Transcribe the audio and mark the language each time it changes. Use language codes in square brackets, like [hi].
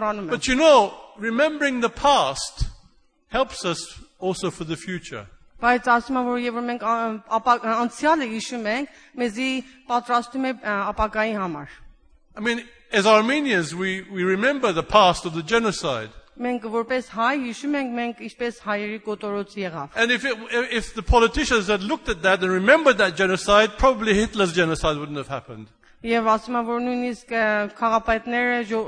[en] But you know, remembering the past helps us also for the future. [hy] Բայց ասում եմ, որ եթե մենք անցյալը հիշում ենք, մեզի պատրաստում է ապագայի համար. [en] I mean, as Armenians, we remember the past of the genocide. [hy] Մենք որպես հայ հիշում ենք, մենք ինչպես հայերի կոտորոց եղավ. [en] And if the politicians had looked at that and remembered that genocide, probably Hitler's genocide wouldn't have happened. [hy] Եվ ասում եմ, որ նույնիսկ քաղաքապետները